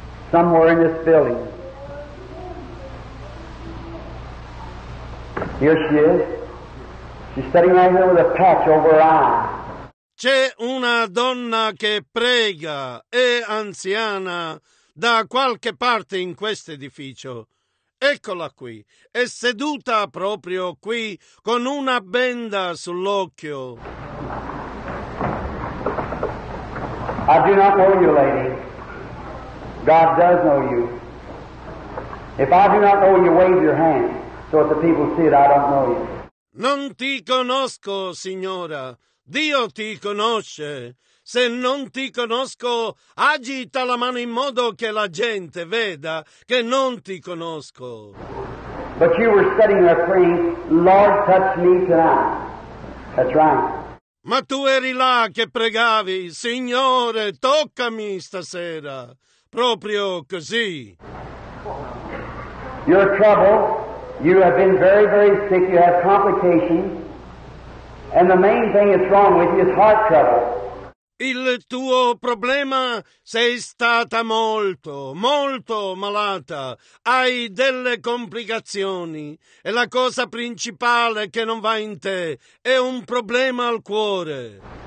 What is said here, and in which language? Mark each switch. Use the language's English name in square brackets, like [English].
[English] Somewhere in this building. Here she is. She's sitting right here with a patch over her eye. [Italian] C'è una donna che prega, è anziana, da qualche parte in questo edificio. Eccola qui, è seduta proprio qui, con una benda sull'occhio. [English] I do not know you, lady. God does know you. If I do not know you, wave your hand. So the people see it, I don't know you. [Italian] Non ti conosco, signora. Dio ti conosce. Se non ti conosco, agita la mano in modo che la gente veda che non ti conosco. [English] But you were sitting there praying, Lord, touch me tonight. That's right. [Italian] Ma tu eri là che pregavi, Signore, toccami stasera. Proprio così. [English] You're troubled. You have been very, very sick. You have complications. And the main thing that's wrong with you is heart trouble. [Italian] Il tuo problema, sei stata molto, molto malata. Hai delle complicazioni. E la cosa principale che non va in te è un problema al cuore.